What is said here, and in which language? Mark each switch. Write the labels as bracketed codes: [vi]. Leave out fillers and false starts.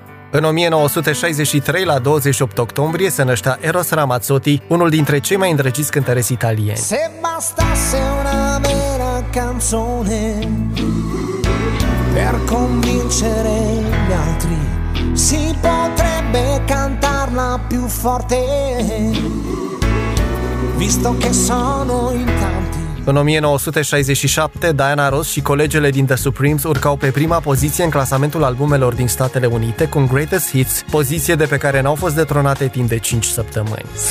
[ro] În 1963, la 28 octombrie, se năștea Eros Ramazzotti, unul dintre cei mai îndrăgiți cântăreți italieni. [it] Se bastasse una mera canzone per convincere gli altri, si potrebbe cantarla più forte, visto che sono in tanti. [ro] În 1967, Diana Ross și colegele din The Supremes urcau pe prima poziție în clasamentul albumelor din Statele Unite cu Greatest Hits, poziție de pe care n-au fost detronate timp de 5 săptămâni.